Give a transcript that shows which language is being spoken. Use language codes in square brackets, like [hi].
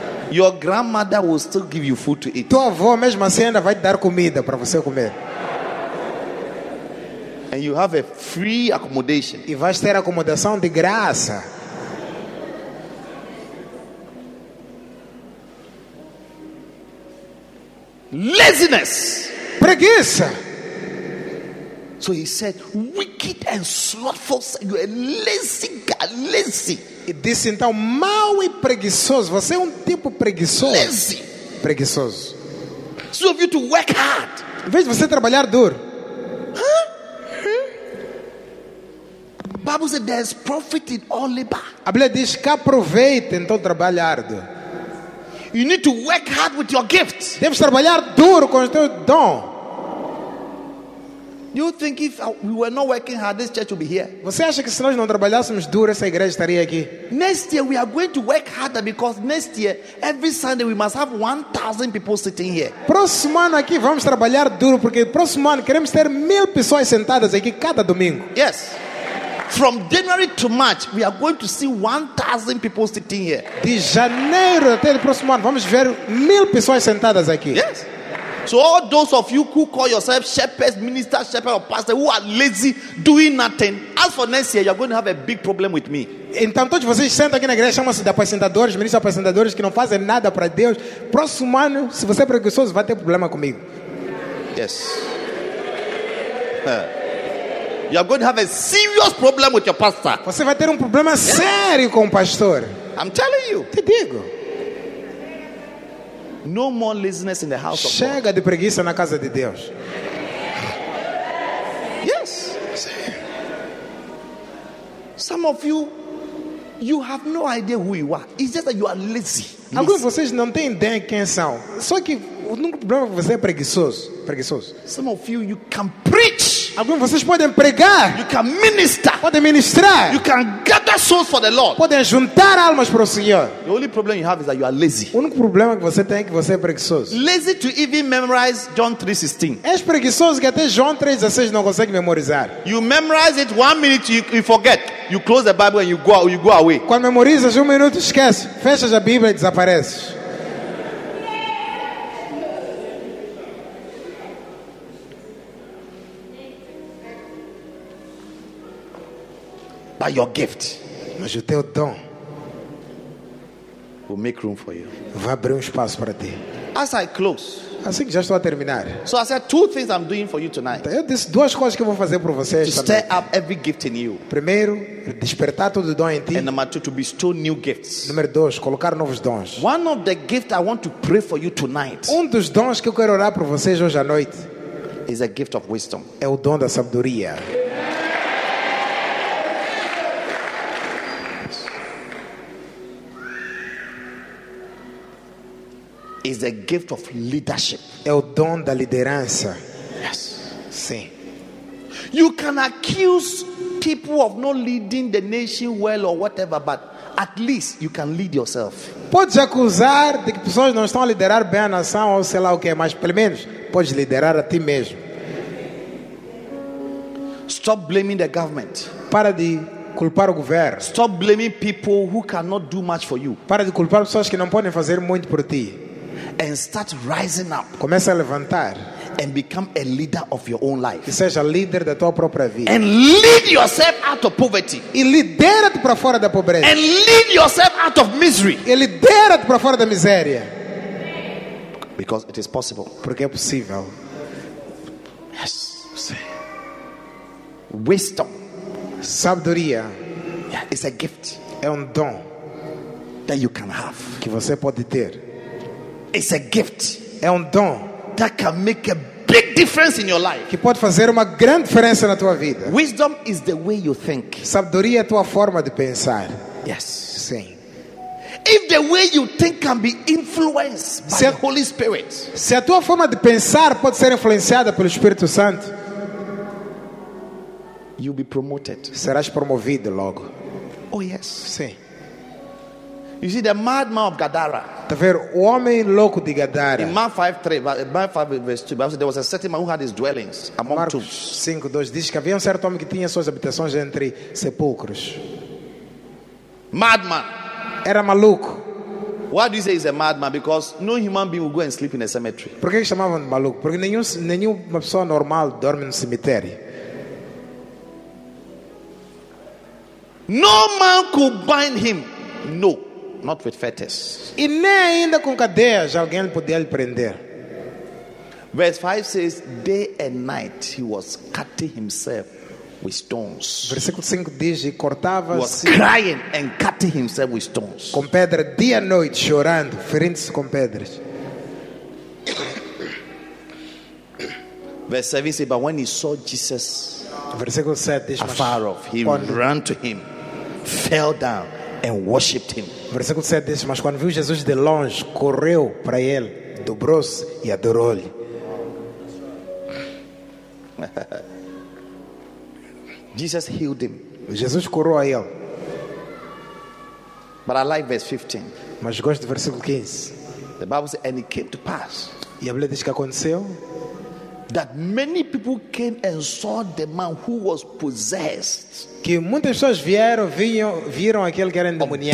[en] your grandmother will still give you food to eat. [pt] Tua avó mesmo assim ainda vai te dar comida para você comer. [en] And you have a free accommodation. [pt] E vais ter acomodação de graça. [en] Laziness. [pt] Preguiça. [en] So he said, wicked and slothful, you are lazy, lazy. [pt] E disse então, mau e preguiçoso, você é tipo preguiçoso. [en] Lazy. [pt] Preguiçoso. [en] So of you to work hard. [pt] Em vez de você trabalhar duro. [en] Bible said there's profit in all labor. [pt] A Bíblia diz que há proveito em todo trabalho árduo. [en] You need to work hard with your gift. [pt] Deves trabalhar duro com o teu dom. [en] You think if we were not working hard, this church would be here? [pt] Você acha que se nós não trabalhássemos duro, essa igreja estaria aqui? [en] Next year we are going to work harder because next year every Sunday we must have 1,000 people sitting here. [pt] Próximo ano aqui vamos trabalhar duro porque próximo ano queremos ter 1,000 pessoas sentadas aqui cada domingo. [en] Yes. From January to March, we are going to see 1,000 people sitting here. [pt] De janeiro até o próximo ano, vamos ver 1,000 pessoas sentadas aqui. [en] Yes. So all those of you who call yourself shepherds, ministers, shepherds or pastors who are lazy, doing nothing, as for next year, you are going to have a big problem with me. [pt] Então todos vocês sentam aqui na igreja, chamam-se de apresentadores, ministros apresentadores que não fazem nada para Deus. Próximo ano, se você é preguiçoso, vai ter problema comigo. [en] Yes. You are going to have a serious problem with your pastor. [pt] Você vai ter problema sério com o pastor. [en] I'm telling you. [pt] Te digo. [en] No more laziness in the house of God. [pt] Chega de preguiça na casa de Deus. [en] Yes. Some of you, you have no idea who you are. It's just that you are lazy. [pt] Alguns de vocês não têm ideia quem são. Só que o único problema é que você é preguiçoso. [en] Some of you, you can preach. [pt] Alguns de vocês podem pregar. [en] You can minister. [pt] Podem ministrar. [en] You can gather souls for the Lord. [pt] Podem juntar almas para o Senhor. [en] The only problem you have is that you are lazy. [pt] O único problema que você tem é que você é preguiçoso. [en] Lazy to even memorize John 3:16. [pt] És preguiçoso que até João 3:16 não consegue memorizar. [en] You memorize it 1 minute, you forget. You close the Bible and you go away. [pt] Quando memorizas 1 minuto, esquece. Fechas a Bíblia e desapareces. [en] Your gift, [pt] mas o teu dom [en] will make room for you. [pt] Vai abrir espaço para ti. [en] As I close, [pt] assim que já estou a terminar. [en] So I said two things I'm doing for you tonight. [pt] Então, eu disse duas coisas que eu vou fazer para você. [en] To stir up every gift in you. [pt] Primeiro, despertar todo o dom em ti. [en] And number two, to bestow new gifts. [pt] Número dois, colocar novos dons. [en] One of the gifts I want to pray for you tonight. [pt] Dos dons que eu quero orar para vocês hoje à noite [en] is a gift of wisdom. [pt] É o dom da sabedoria. [en] Is the gift of leadership. [pt] É o dom da liderança. [en] Yes. [pt] Sim. [en] You can accuse people of not leading the nation well or whatever, but at least you can lead yourself. [pt] Podes acusar de que pessoas não estão a liderar bem a nação ou sei lá o que, mas pelo menos podes liderar a ti mesmo. [en] Stop blaming the government. [pt] Para de culpar o governo. [en] Stop blaming people who cannot do much for you. [pt] Para de culpar pessoas que não podem fazer muito por ti. [en] And start rising up. [pt] Começa a levantar. [en] And become a leader of your own life. [pt] E seja líder da tua própria vida. [en] And lead yourself out of poverty. [pt] E lidera-te para fora da pobreza. [en] And lead yourself out of misery. [pt] E lidera-te para fora da miséria. [en] Because it is possible. [pt] Porque é possível. [en] Yes. Wisdom. [pt] Sabedoria. [en] Yeah, it's a gift. [pt] É dom. [en] That you can have. [pt] Que você pode ter. [en] It's a gift. [pt] É dom. [en] That can make a big difference in your life. [pt] Que pode fazer uma grande diferença na tua vida. [en] Wisdom is the way you think. [pt] Sabedoria é a tua forma de pensar. [en] Yes. [pt] Sim. [en] If the way you think can be influenced by the Holy Spirit. [pt] Se a tua forma de pensar pode ser influenciada pelo Espírito Santo. [en] You'll be promoted. [pt] Serás promovido logo. [en] Oh yes. [pt] Sim. [en] You see the madman of Gadara. [pt] Tá ver, o homem louco de Gadara. [en] In Mark 5:2, there was a certain man who had his dwellings among tombs. [pt] Marcos 5:2 diz que havia certo homem que tinha suas habitações entre sepulcros. [en] Madman. [pt] Era maluco. [en] Why do you say he's a madman? Because no human being will go and sleep in a cemetery. [pt] Por que chamavam de maluco? Porque nenhuma pessoa normal dorme no cemitério. [en] No man could bind him. No, not with fetters. [pt] E nem ainda com cadeias alguém podia lhe prender. [en] Verse 5 says, day and night he was cutting himself with stones. [pt] Versículo 5 diz, e cortava-se. [en] Was crying and cutting himself with stones. [pt] Com pedra dia e noite, chorando, ferindo-se com pedras. [en] Verse 7 says, but when he saw Jesus [pt] versículo 7 diz, [en] afar off, he ran to him, fell down and worshipped him. [pt] Versículo 7 diz, mas quando viu Jesus de longe, correu para ele, dobrou-se e adorou-lhe. [en] Jesus healed him. [pt] Jesus curou a ele. [en] But I like verse 15. [pt] Mas gosto do versículo 15. [en] The Bible says, and it came to pass. [pt] E a Bíblia diz que aconteceu. [en] That many people came and saw the man who was possessed. [pt] Que muitas pessoas vieram, viram aquele que era endemoniado.